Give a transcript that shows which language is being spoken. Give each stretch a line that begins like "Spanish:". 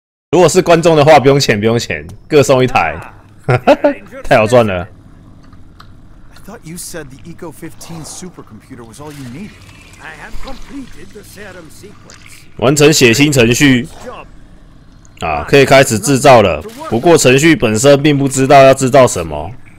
Chinese: 如果是观众的话，不用钱，不用钱，各送一台，太好赚了。
English: I thought you said the Eco 15 supercomputer was all you needed. I have completed the serum sequence.
Chinese: 完成血清程序，啊，可以开始制造了。不过程序本身并不知道要制造什么。